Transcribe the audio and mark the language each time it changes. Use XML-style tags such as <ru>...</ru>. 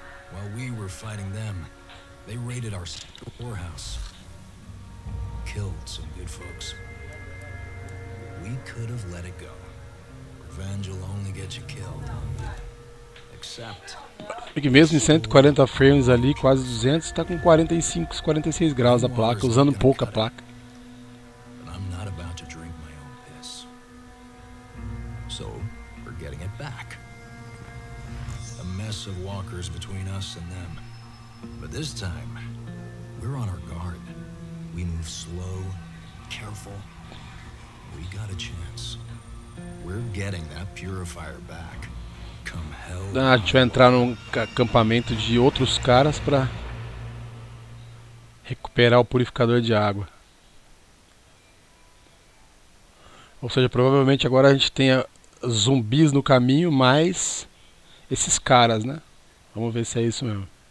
<en>While we were fighting them, they raided our storehouse. Killed some good folks. We could have let it go. Revenge will only get you killed. Except.</en> <pt>É que mesmo em 140 frames ali, quase 200, tá com 45, 46 graus a placa, usando pouca placa.</pt> <en>But I'm not about to drink my own piss. So, we're getting it back. Mess of walkers between us and them. But this time, we're on our guard. We move slow, careful. We got a chance. We're getting that purifier back. Come hell.</en> <pt>Ah, a gente vai entrar num acampamento de outros caras pra recuperar o purificador de água. Ou seja, provavelmente agora a gente tenha zumbis no caminho, mas. Esses caras, né? Vamos ver se é isso mesmo.</pt>